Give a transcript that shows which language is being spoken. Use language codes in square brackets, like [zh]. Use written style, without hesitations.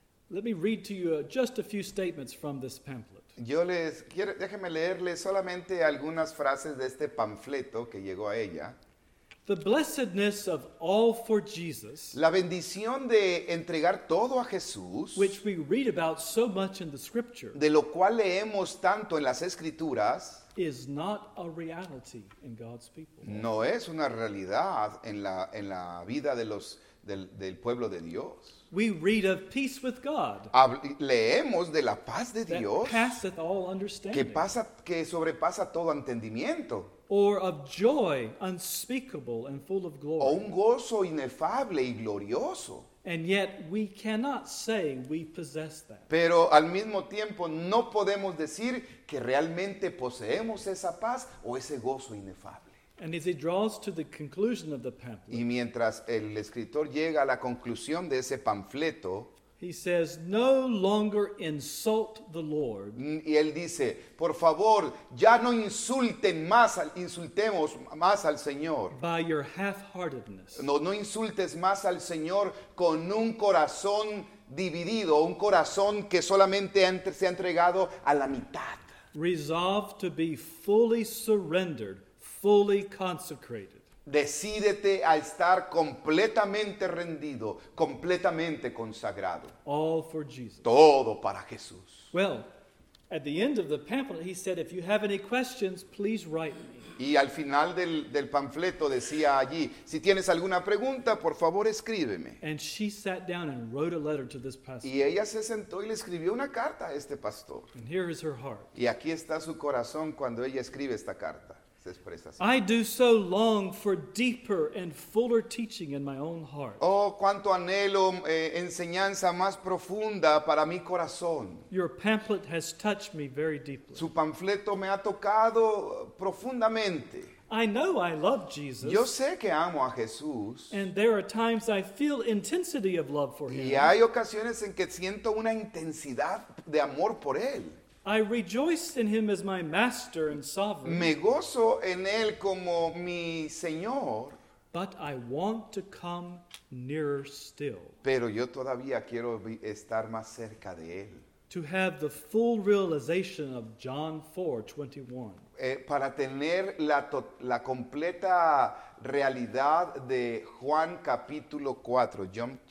[en] Let me read to you just a few statements from this pamphlet. [es] Déjeme leerle solamente algunas frases de este panfleto que llegó a ella. [en] The blessedness of all for Jesus. [es] La bendición de entregar todo a Jesús. [en] Which we read about so much in the scripture. [es] De lo cual leemos tanto en las escrituras. [en] is not a reality in God's people. [es] No es una realidad en la vida de los del pueblo de Dios. [en] We read of peace with God. [es] Leemos de la paz de Dios. [en] That passeth all understanding. [es] Que sobrepasa todo entendimiento. [en] Or of joy unspeakable and full of glory. [es] O un gozo inefable y glorioso. [en] And yet we cannot say we possess that. [es] Pero al mismo tiempo no podemos decir que realmente poseemos esa paz o ese gozo inefable. [en] And as he draws to the conclusion of the pamphlet. [es] Y mientras el escritor llega a la conclusión de ese panfleto. [en] He says, no longer insult the Lord. [es] Y él dice, por favor, ya no insultemos más al Señor. [en] By your half-heartedness. [es] No insultes más al Señor con un corazón dividido, un corazón que solamente se ha entregado a la mitad. [en] Resolve to be fully surrendered, fully consecrated. [es] Decídete a estar completamente rendido, completamente consagrado. [en] All for Jesus. [es] Todo para Jesús. [en] Well, at the end of the pamphlet, he said, if you have any questions, please write me. [es] Y al final del panfleto decía allí, si tienes alguna pregunta, por favor, escríbeme. [en] And she sat down and wrote a letter to this pastor. [es] Y ella se sentó y le escribió una carta a este pastor. [en] And here is her heart. [es] Y aquí está su corazón cuando ella escribe esta carta. [en] I do so long for deeper and fuller teaching in my own heart. [es] Oh, cuánto anhelo enseñanza más profunda para mi corazón. [en] Your pamphlet has touched me very deeply. [es] Su panfleto me ha tocado profundamente. [en] I know I love Jesus. [es] Yo sé que amo a Jesús. [en] And there are times I feel intensity of love for him. [es] Y hay ocasiones en que siento una intensidad de amor por él. [en] I rejoice in him as my master and sovereign. [es] Me gozo en él como mi señor. [en] But I want to come nearer still. [es] Pero yo todavía quiero estar más cerca de él. [en] To have the full realization of John 4:21. [es] Para tener la completa realidad de Juan capítulo 4, John